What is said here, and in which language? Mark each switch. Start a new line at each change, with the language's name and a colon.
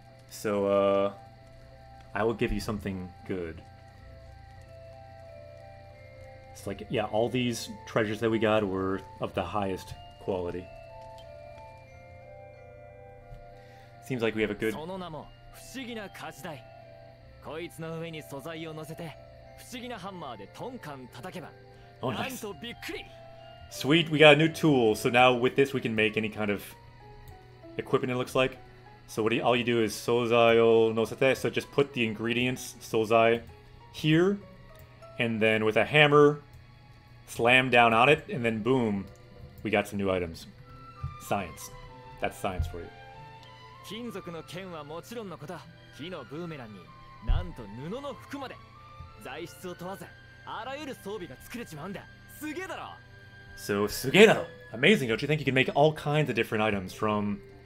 English: So, I will give you something good. It's like, yeah, all these treasures that we got were of the highest quality. Seems like we have a good...
Japanese: その名も、不思議な鍛冶台。こいつの上に素材を乗せて、不思議なハンマーでトンカン叩けば、なんとびっくり。
English: Sweet, we got a new tool. So now with this, we can make any kind of equipment it looks like. So what all you do is
Japanese: sozai o nosete,
English: so just put the ingredients, sozai, here, and then with a hammer, slam down on it, and then boom, we got some new items. Science. That's science for you.
Japanese: 金属の剣はもちろんのこと、木のブーメランに、なんと布の服まで、材質を問わず、あらゆる装備が作れちまうんだ。すげえだろ。 So, すげえだろ。
English: Amazing, don't you think you can make all kinds of different items from...